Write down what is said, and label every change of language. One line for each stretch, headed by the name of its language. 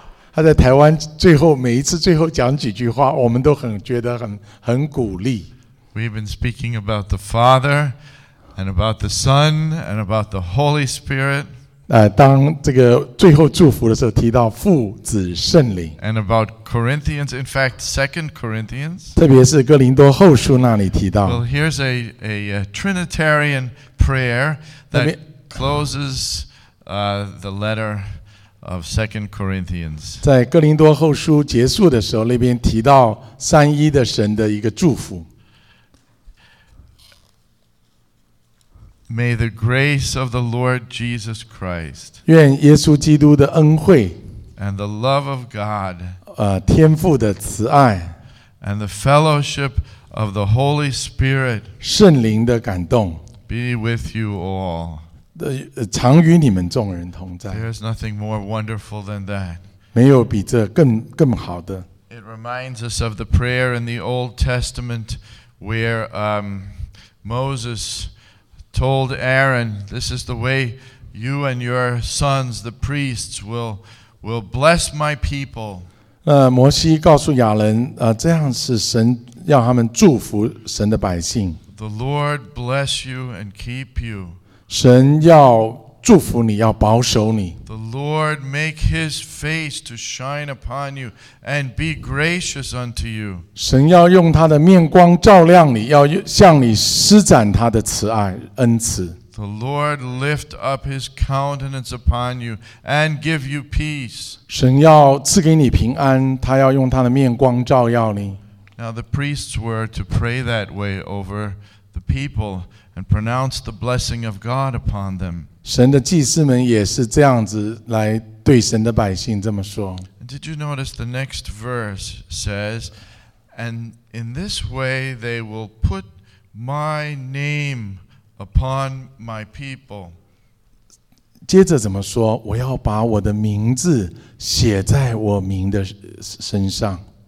Chinese: 他在台湾最后每一次最后讲几句话，我们都很觉得很鼓励。
English: We've been speaking about the Father and about the Son and about the Holy Spirit.
Chinese: 当这个最后祝福的时候提到父子圣灵。
English: And about Corinthians, in fact, 2 Corinthians.
Chinese: 特别是哥林多后书那里提到。
English: Well, here's a Trinitarian prayer that closes the letter of 2 Corinthians.
Chinese: 在哥林多后书结束的时候，那边提到三一的神的一个祝福。
English: May the grace of the Lord Jesus Christ,
Chinese: 愿耶稣基督的恩惠
English: and the love of God,
Chinese: 天父的慈爱
English: and the fellowship of the Holy Spirit,
Chinese: 圣灵的感动
English: be with you all,
Chinese: 常与你们众人同在
English: There's nothing more wonderful than that.
Chinese: 没有比这更好的
English: It reminds us of the prayer in the Old Testament where Moses. Told Aaron, "This is the way you and your sons, the priests, will bless my people."
Chinese: 摩西告诉亚伦，这样是神要他们祝福神的百姓。
English: The Lord bless you and keep you.
Chinese: 神要祝福你，要保守你。
English: The Lord make His face to shine upon you and be gracious unto you.
Chinese: 神要用他的面光照亮你，要向你施展他的慈爱恩慈。
English: The Lord lift up His countenance upon you and give you peace.
Chinese: 神要赐给你平安，他要用他的面光照耀你。
English: Now the priests were to pray that way over the people and pronounce the blessing of God upon them.
Chinese: 神的祭司们也是这样子来对神的百姓这么说。
English: Did you notice the next verse says, "And in this way they will put my name upon my people."
Chinese: 接着怎么说？我要把我的名字写在我民的身上。